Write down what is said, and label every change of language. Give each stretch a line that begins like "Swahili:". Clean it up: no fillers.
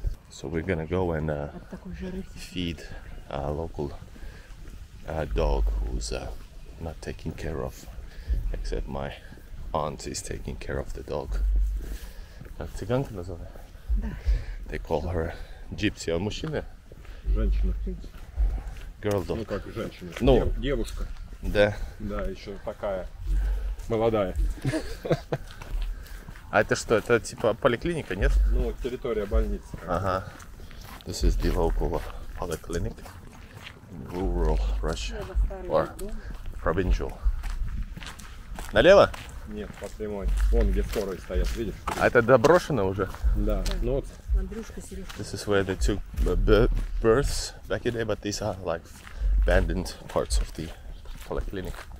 English: So we're gonna go and feed a local dog who's not taking care of, except my aunt is taking care of the dog.
Russian: Как цыганка называется? Да.
English: They call her gypsy.
Russian: А мужчина? Женщина.
English: Girl dog.
Russian: Ну как женщина? Ну. Девушка. Да. Да, еще такая молодая. А это что? Это типа поликлиника, нет? Ну, территория больницы.
English: Ага. This is the local polyclinic in rural Russia or provincial.
Russian: Налево? Нет, по прямой. Вон где скорые стоят, видишь? А это доброшено уже? Да. Ну вот.
English: This is where they took births back in the day, but these are like abandoned parts of the polyclinic.